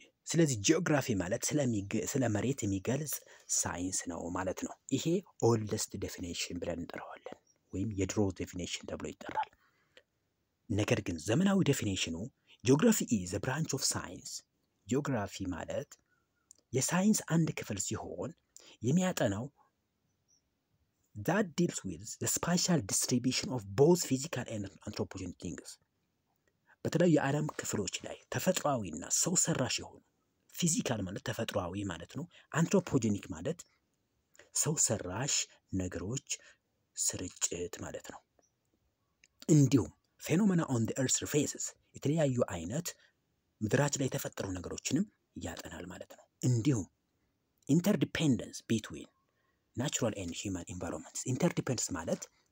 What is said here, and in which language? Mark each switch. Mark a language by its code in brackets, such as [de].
[am] ስለዚህ ጂኦግራፊ ማለት ስለመሬት የሚገልጽ ሳይንስ ነው ማለት ነው። ይሄ [en] oldest definition [am] ብለን እንጠራዋለን ወይም የድሮ definition ተብሎ ይጠራል። ነገር ግን ዘመናዊ definitionው [en] geography is a branch of science. [am] ጂኦግራፊ ማለት የሳይንስ አንድ ክፍል ሲሆን የሚያጠናው [en] that deals with the spatial distribution of both physical and anthropogenic things. [am] በተለይ የዓለም ክፍሎች ላይ ተፈጥሯዊና ሰው ሰራሽ የሆኑ ፊዚካል ማለት ተፈጥሯዊ ማለት ነው አንትሮፖጀኒክ ማለት ሰው ሰራሽ ነገሮች ስርጭት ማለት ነው እንዲሁም [en] ፌኖሜና ኦን ዘ ኤርዝ ሰርፌስስ [am] የተለያዩ አይነት ምድራችን ላይ ተፈጠሩ ነገሮችንም ያጠናል ማለት ነው እንዲሁም [en] ኢንተርዲፔንደንስ ቢትዊን ናቹራል ኤንድ ሂማን ኢንቫይሮንመንትስ [am] ኢንተርዲፔንደንስ ማለት